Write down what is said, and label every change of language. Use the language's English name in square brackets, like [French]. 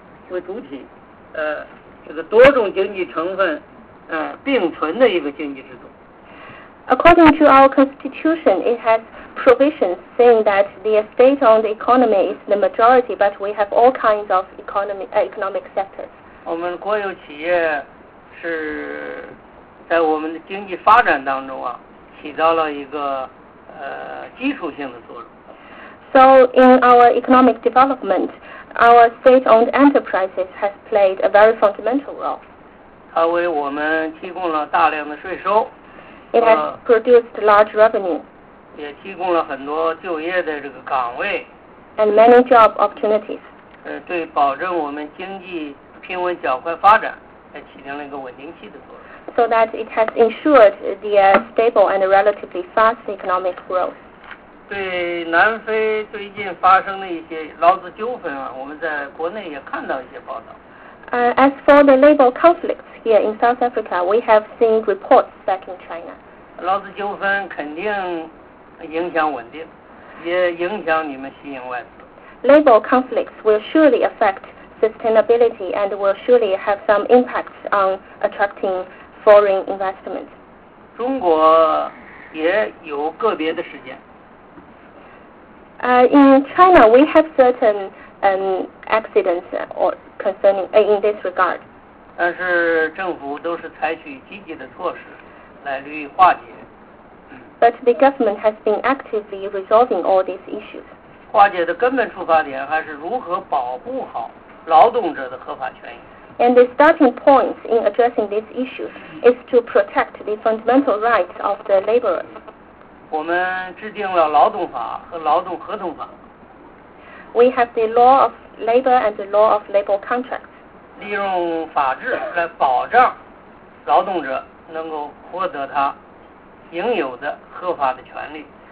[Chinese] 为主体，这个多种经济成分并存的一个经济制度。 [English] According to our constitution, it has provisions saying that the state-owned economy is the majority, but we have all kinds of economic sectors. [Chinese] 我们国有企业是在我们的经济发展当中啊，起到了一个基础性的作用。 [English] So in our economic development, our state-owned enterprises has played a very fundamental role. [Chinese] 它为我们提供了大量的税收。 [English] It has produced large revenue. [Chinese] 也提供了很多就业的这个岗位。 [English] And many job opportunities. [Chinese] 对保证我们经济平稳较快发展，还起到了一个稳定器的作用。 [English] So that it has ensured the stable and relatively fast economic growth. [Chinese] 对南非最近发生的一些劳资纠纷啊，我们在国内也看到一些报道。 [English] As for the labor conflicts here in South Africa, we have seen reports back in China. [Chinese] 劳资纠纷肯定影响稳定，也影响你们吸引外资。 [English] Labor conflicts will surely affect sustainability and will surely have some impacts on attracting foreign investment. [Chinese] 中国也有个别的时间。 [English] In China, we have certain accidents or. Concerning in this regard. [Chinese] 但是政府都是采取积极的措施来予以化解。 [English] But the government has been actively resolving all these issues. [Chinese] 化解的根本出发点还是如何保护好劳动者的合法权益。 [English] And the starting point in addressing these issues is to protect the fundamental rights of the laborers. [Chinese] 我们制定了劳动法和劳动合同法。 [English] We have the law of labor and the law of labor contracts. [Chinese] 利用法治来保障劳动者能够获得他应有的合法的权利。